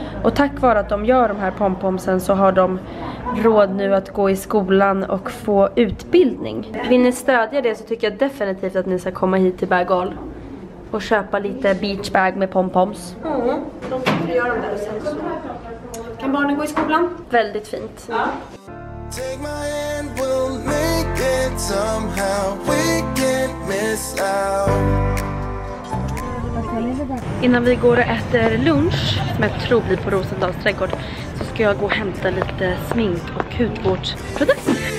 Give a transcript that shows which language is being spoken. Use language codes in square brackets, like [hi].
[sv] Och tack vare att de gör de här pompomsen så har de råd nu att gå i skolan och få utbildning. Vill ni stödja det så tycker jag definitivt att ni ska komma hit till Bag All och köpa lite beachbag med pompoms. Mm, de får göra dem där och sen så. Kan barnen gå i skolan? Väldigt fint. Ja. [en] Take my hand, we'll make it somehow, we can't miss out. [sv] Innan vi går och äter lunch, som jag tror blir på Rosendals trädgård, så ska jag gå och hämta lite smink och hudvårdsprodukter.